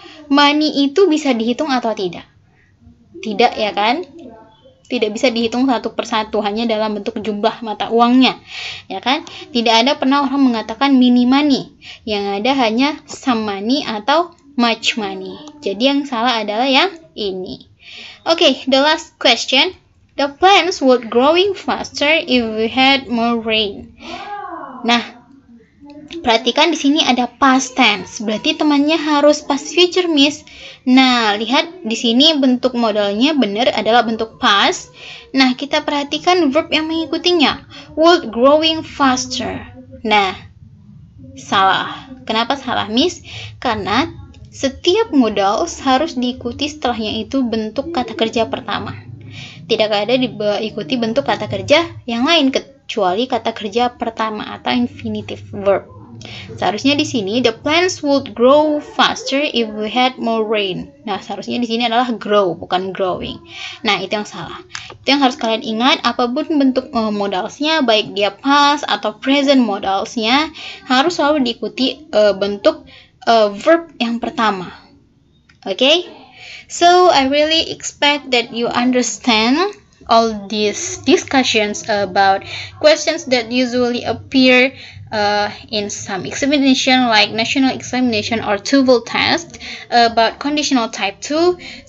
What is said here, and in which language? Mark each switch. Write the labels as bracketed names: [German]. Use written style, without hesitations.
[Indonesian] Money itu bisa dihitung atau tidak? Tidak, ya kan? Tidak bisa dihitung satu persatu, hanya dalam bentuk jumlah mata uangnya. Ya kan? Tidak ada pernah orang mengatakan mini money. Yang ada hanya [English] some money [Indonesian] atau [English] much money. [Indonesian] Jadi, yang salah adalah yang ini. [English] Okay, the last question. The plants would growing faster if we had more rain. Nah, [Indonesian] Perhatikan di sini ada past tense, berarti temannya harus past future, Miss. Nah, lihat di sini bentuk modalnya benar adalah bentuk past. Nah, kita perhatikan verb yang mengikutinya, [English] would growing faster. [Indonesian] Nah, salah. Kenapa salah, Miss? Karena setiap modal harus diikuti setelahnya itu bentuk kata kerja pertama. Tidak ada diikuti bentuk kata kerja yang lain kecuali kata kerja pertama atau infinitive verb. Seharusnya di sini [English] the plants would grow faster if we had more rain. [Indonesian] Nah, seharusnya di sini adalah grow bukan growing. Nah, itu yang salah. Itu yang harus kalian ingat, apapun bentuk modalsnya, baik dia past atau present modalsnya, harus selalu diikuti bentuk verb yang pertama. [English] Okay? So, I really expect that you understand all these discussions about questions that usually appear in some examination like national examination or TOEFL test about conditional type 2.